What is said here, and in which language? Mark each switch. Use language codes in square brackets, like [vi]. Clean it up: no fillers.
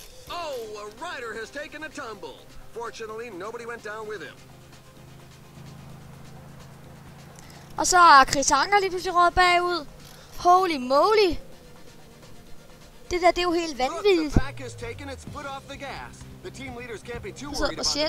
[en] Oh, a rider has taken a tumble. Fortunately, nobody went down with him. [da] Og så er Chris Anker lige pludselig røget bagud. [en] Holy moly. [da] Det der, det er jo helt vanvittigt. [en] Look, the pack has taken its foot off the gas. The team leaders can't be too worried about the